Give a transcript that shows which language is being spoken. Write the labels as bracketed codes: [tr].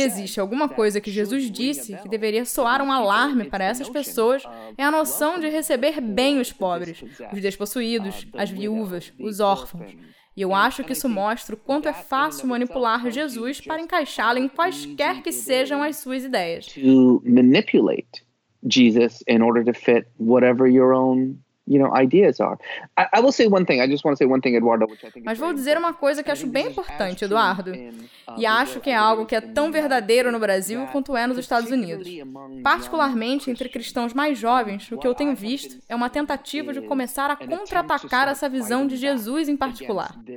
[pt] existe alguma coisa que Jesus disse que deveria soar um alarme para essas pessoas, é a noção de receber bem os pobres, os despossuídos, as viúvas, os órfãos. E eu acho que isso mostra o quanto é fácil manipular Jesus para encaixá-lo em quaisquer que sejam as suas ideias. [en] To manipulate Jesus in order to fit whatever your own you know, ideas are. I will say one thing. I just want to say one thing, Eduardo, which I think. [pt] Mas vou dizer uma coisa que acho bem importante, Eduardo. E acho que é algo que é tão verdadeiro no Brasil quanto é nos Estados Unidos. Particularmente entre cristãos mais jovens, o que eu tenho visto é uma tentativa de começar a contra-atacar essa visão de Jesus em particular.